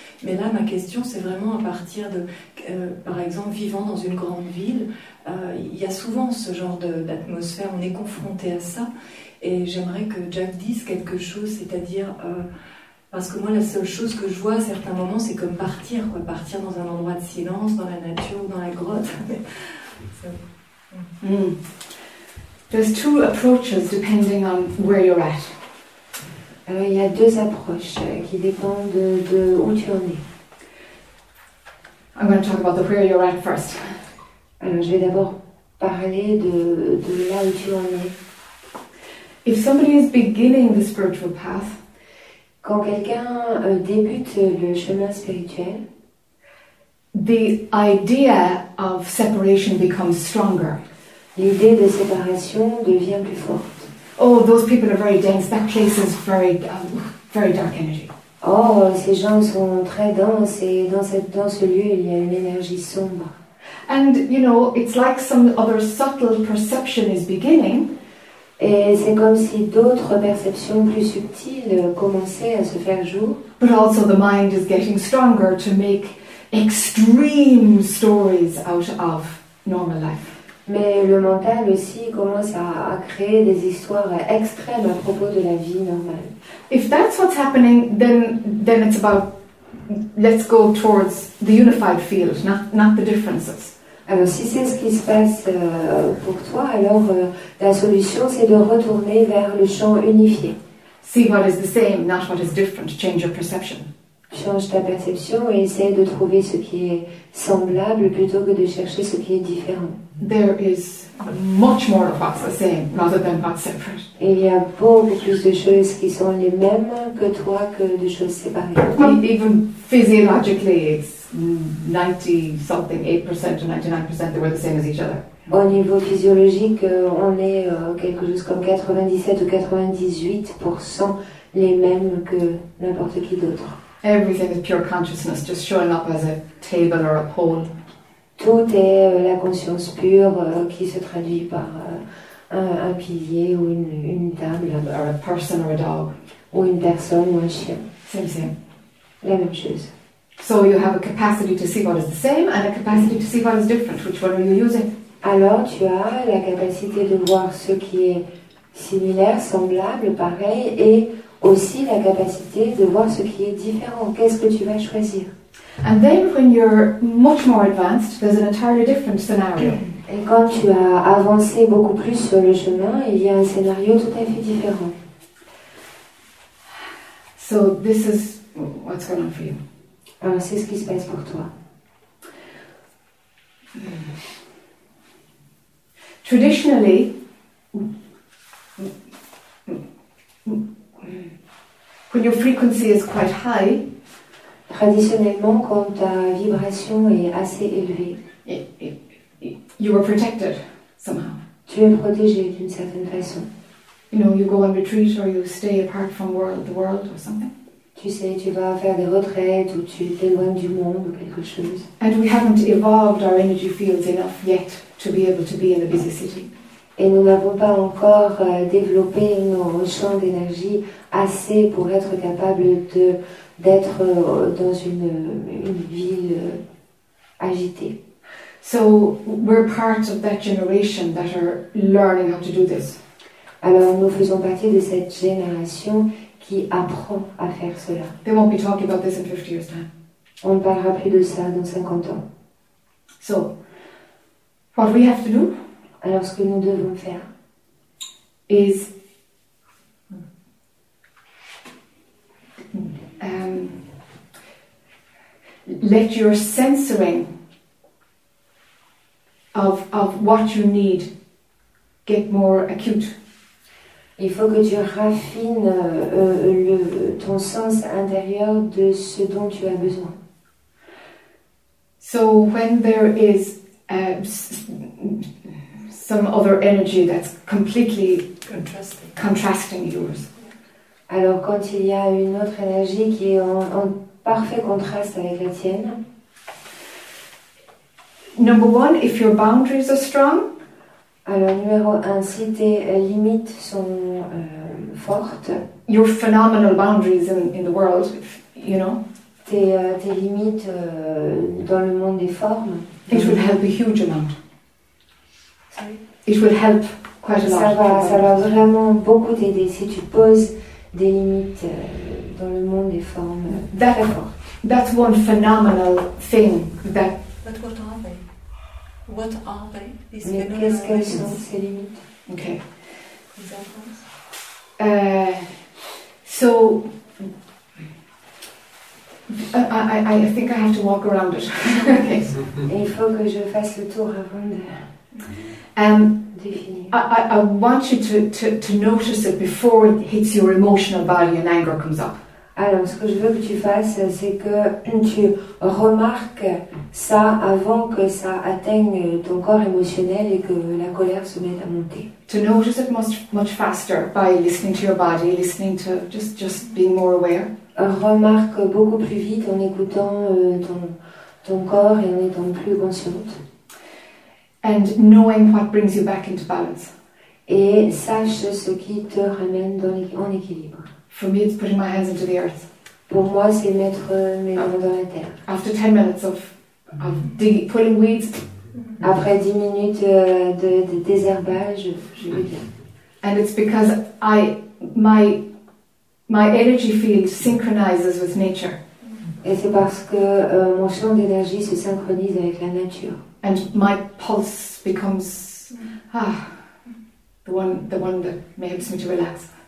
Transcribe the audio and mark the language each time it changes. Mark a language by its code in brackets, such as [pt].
[fr] Mais là, ma question, c'est vraiment à partir de... par exemple, vivant dans une grande ville, il y a souvent ce genre d'atmosphère, on est confronté à ça. Et j'aimerais que Jack dise quelque chose, c'est-à-dire... parce que moi, la seule chose que je vois à certains moments, c'est comme partir, quoi. Partir dans un endroit de silence, dans la nature ou dans la grotte. [en] There's two approaches depending on where you're at. [fr] Alors, il y a deux approches qui dépendent de où tu en es. [en] I'm going to talk about the where you're at first. [fr] Alors, je vais d'abord parler de là où tu en es. [en] If somebody is beginning the spiritual path, [fr] quand quelqu'un débute le chemin spirituel, [en] the idea of separation becomes stronger. [fr] L'idée de séparation devient plus forte. [en] Oh, those people are very dense. That place is very, very dark energy. [fr] Oh, ces gens sont très denses et dans ce lieu, il y a une énergie sombre. [en] And you know, it's like some other subtle perception is beginning. [fr] Et c'est comme si d'autres perceptions plus subtiles commençaient à se faire jour. [en] But also, the mind is getting stronger to make extreme stories out of normal life. [fr] Mais le mental aussi commence à créer des histoires extrêmes à propos de la vie normale. [en] If that's what's happening, then it's about let's go towards the unified field, not the differences. [fr] Alors si c'est ce qui se passe pour toi, alors la solution c'est de retourner vers le champ unifié. [en] See what is the same, not what is different. Change your perception. [fr] Change ta perception et essaie de trouver ce qui est semblable plutôt que de chercher ce qui est différent. [en] There is much more of what's the same rather than what's separate. [fr] Et il y a beaucoup plus de choses qui sont les mêmes que toi que de choses séparées. [en] Even physiologically, it's 90 something, 8% or 99% they were the same as each other. [fr] Au niveau physiologique, on est quelque chose comme 97 ou 98% les mêmes que n'importe qui d'autre. [en] Everything is pure consciousness, just showing up as a table or a pole. [fr] Tout est la conscience pure qui se traduit par un pilier ou une table. [en] Or a person or a dog. [fr] Ou une personne ou un chien. [en] Same, same. [fr] La même chose. [en] So you have a capacity to see what is the same and a capacity to see what is different. Which one are you using? [fr] Alors tu as la capacité de voir ce qui est similaire, semblable, pareil et aussi la capacité de voir ce qui est différent. Qu'est-ce que tu vas choisir? [en] And then when you're much more advanced, there's an entirely different scenario. [fr] Et quand tu as avancé beaucoup plus sur le chemin, il y a un scénario tout à fait différent. [en] So this is what's going on for you. [fr] Alors, c'est ce qui se passe pour toi. [en] Traditionally, when your frequency is quite high, [fr] traditionnellement, quand ta vibration est assez élevée, [en] you are protected somehow. [fr] Tu es protégé d'une certaine façon. [en] You know, you go on retreat or you stay apart from the world or something. [fr] Tu sais, tu vas faire des retraites ou tu t'éloignes du monde ou quelque chose. [en] And we haven't evolved our energy fields enough yet to be able to be in a busy city. [fr] Et nous n'avons pas encore développé nos champs d'énergie assez pour être capable d'être dans une ville agitée. [en] So we're part of that generation that are learning how to do this. [fr] Alors nous faisons partie de cette génération qui apprend à faire cela. [en] They won't be talking about this in 50 years time. [fr] On ne parlera plus de ça dans 50 ans. [en] So what we have to do? [fr] Alors ce que nous devons faire [en] is let your censoring of what you need get more acute. [fr] Il faut que tu raffines ton sens intérieur de ce dont tu as besoin. [en] So when there is some other energy that's completely contrasting yours. [fr] Alors, quand il y a une autre énergie qui est en parfait contraste avec la tienne. [en] Number one, if your boundaries are strong. [fr] Alors, numéro un, si tes limites sont fortes. [en] Your phenomenal boundaries in the world, you know. [fr] Tes limites dans le monde des formes. [en] It will help a huge amount. It will help quite a lot. [fr] Ça va vraiment beaucoup t'aider si tu poses des limites dans le monde des formes. [en] That's one phenomenal thing. That. But what are they? What are they? [fr] Mais qu'est-ce qu'elles sont, ces limites? [en] Okay. So I think I have to walk around it. Okay. [fr] Il faut que je fasse le tour avant de... [en] I want you to notice it before it hits your emotional body and anger comes up. [fr] Alors, ce que je veux que tu fasses, c'est que tu remarques ça avant que ça atteigne ton corps émotionnel et que la colère se mette à monter. [en] To notice it much faster by listening to your body, listening to just being more aware. [fr] Remarque beaucoup plus vite en écoutant ton corps et en étant plus consciente. [en] And knowing what brings you back into balance. [fr] Et sache ce qui te ramène en équilibre. [en] For me, it's putting my hands into the earth. [fr] Pour moi, c'est mettre mes mains dans la terre. [en] After 10 minutes of digging, pulling weeds. [fr] Après 10 minutes de désherbage, je vais bien. [en] And it's because my energy field synchronizes with nature. [fr] Et c'est parce que mon champ d'énergie se synchronise avec la nature. [en] And my pulse becomes the one that helps me to relax.